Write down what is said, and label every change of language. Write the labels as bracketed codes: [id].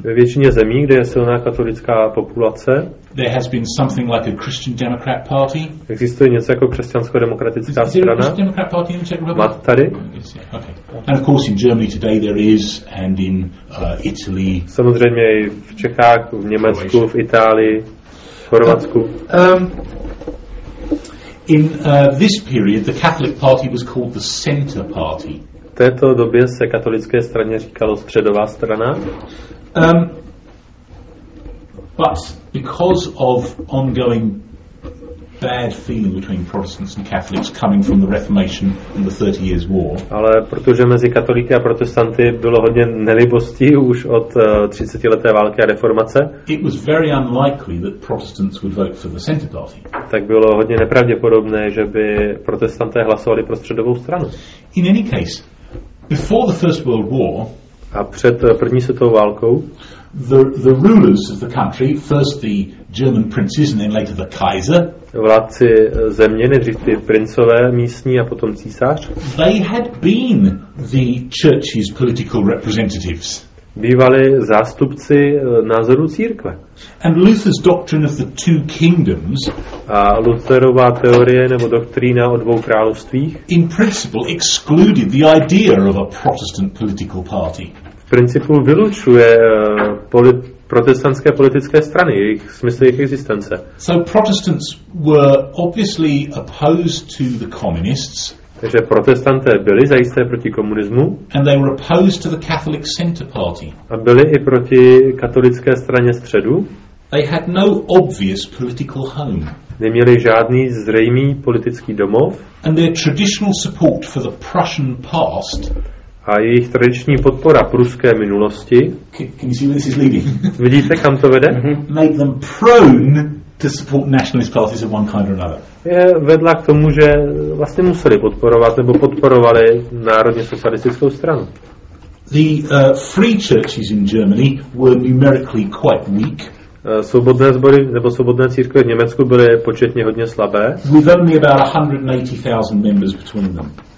[cs] ve většině zemí, kde je silná katolická populace, [en] there has been something like a Christian Democrat party. [cs] Existuje něco jako křesťansko-demokratická strana? [en] Is there a Christian Democrat party in Czech Republic? [cs] Mat tady? Okay. [en] And of course, in Germany today there is, and in Italy. [cs] Samozřejmě i v Čechách, v Německu, v Itálii, v Chorvatsku. [en] In this period, the Catholic party was called the Center Party. [cs] V této době se katolické straně říkalo středová strana. [en] But because of ongoing bad feeling between Protestants and Catholics coming from the Reformation and the 30 Years' War. [cs] Ale protože mezi katolíky a protestanty bylo hodně nelibosti už od 30leté války a reformace. [en] It was very unlikely that Protestants would vote for the Centre Party. [cs] Tak bylo hodně nepravděpodobné, že by protestanté hlasovali pro středovou stranu. [en] In any case, before the First World War, [cs] a před první světovou válkou, [en] the rulers of the country, first the German princes and then later the Kaiser, [cs] vládci země, nejdřív ty princové místní a potom císař, [en] they had been the church's political representatives. [cs] Bývali zástupci názoru církve. [en] And Luther's doctrine of the two kingdoms, [cs] a Lutherova teorie nebo doktrína o dvou královstvích, [en] in principle excluded the idea of a Protestant political party. [cs] V principu vylučuje protestantské politické strany, jejich smysl jejich existence. [en] So Protestants were obviously opposed to the communists. [cs] Takže protestanté byli zajisté proti komunismu. [en] And they were opposed to the Catholic Center Party. [cs] A byli i proti katolické straně středu. [en] They had no obvious political home. [cs] Neměli žádný zřejmý politický domov. [en] And their traditional support for the Prussian past. [cs] A jejich tradiční podpora pruské minulosti. [en] Can you see where this is leading? [cs] Vidíte, kam to vede? [en] Make them prone to support nationalist parties of one kind or another. [cs] Je vedla k tomu, že vlastně museli podporovat nebo podporovali národně socialistickou stranu. [en] The free churches in Germany were numerically quite weak. [cs] Svobodné sbory nebo svobodné církve v Německu byly početně hodně slabé. [en] With only about 180,000 members between them.